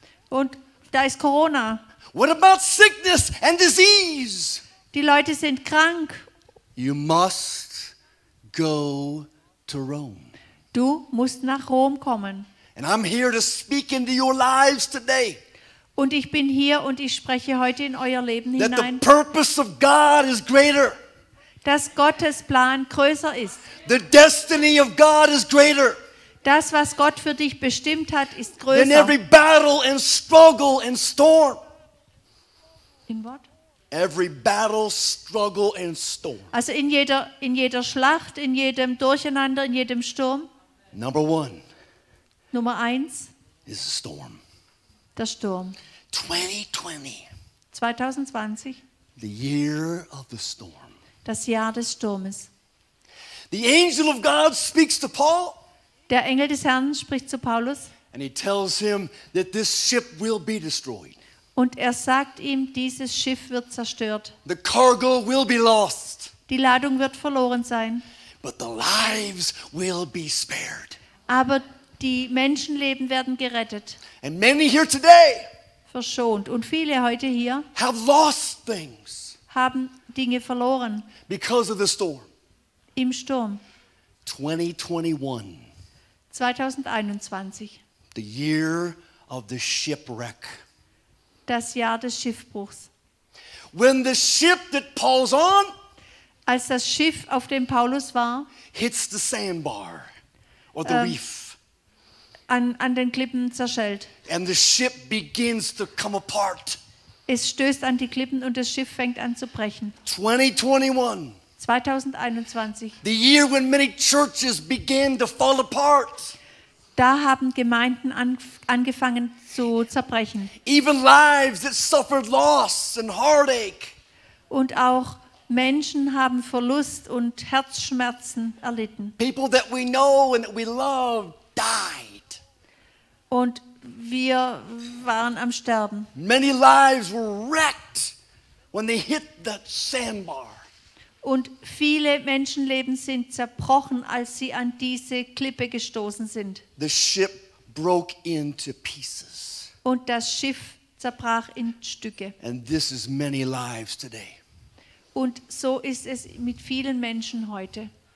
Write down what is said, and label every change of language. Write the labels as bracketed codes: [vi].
[de] Und da ist Corona. [en] What about sickness and disease? [de] Die Leute sind krank. [en] You must go to Rome. [de] Du musst nach Rom kommen. [en] And I'm here to speak into your lives today. [de] Und ich bin hier und ich spreche heute in euer Leben [en] that [de] hinein. [en] The purpose of God is greater. [de] Dass Gottes Plan größer ist. [en] The destiny of God is greater. [de] Das, was Gott für dich bestimmt hat, ist größer. [en] In every battle and struggle and storm. In what? Every battle, struggle and storm. [de] Also in jeder Schlacht, in jedem Durcheinander, in jedem Sturm. [en] Number one. [de] Nummer eins [en] is a storm. [de] Der Sturm. [en] 2020. [de] 2020. [en] The year of the storm. [de] Das Jahr des Sturmes. [en] The angel of God speaks to Paul. [de] Der Engel des Herrn spricht zu Paulus. [en] And he tells him that this ship will be destroyed. [de] Und er sagt ihm, dieses Schiff wird zerstört. [en] The cargo will be lost. [de] Die Ladung wird verloren sein. [en] But the lives will be spared. [de] Aber die Menschenleben werden gerettet. [en] And many here today [de] verschont. Und viele heute hier [en] have lost things [de] haben Dinge verloren. [en] Because of the storm. [de] Im Sturm. [en] 2021. The year of the shipwreck. [de] Das Jahr des Schiffbruchs. [en] When the ship that Paul's on, [de] als das Schiff, auf dem Paulus war, [en] hits the sandbar or the reef. [de] An den Klippen zerschellt. [en] And the ship begins to come apart. [de] Es stößt an die Klippen und das Schiff fängt an zu brechen. [en] 2021. The year when many churches began to fall apart. [de] Da haben Gemeinden angefangen zu zerbrechen. [en] Even lives that suffered loss and heartache. [de] Und auch Menschen haben Verlust und Herzschmerzen erlitten. [en] People that we know and that we love died. [de] Und wir waren am Sterben. [en] Many lives were wrecked when they hit that sandbar. [de] Und viele Menschenleben sind zerbrochen, als sie an diese Klippe gestoßen sind. [en] The ship broke into pieces. [de] Und das Schiff zerbrach in Stücke. [en] And this is many lives today. [de] Und so ist es mit vielen Menschen heute.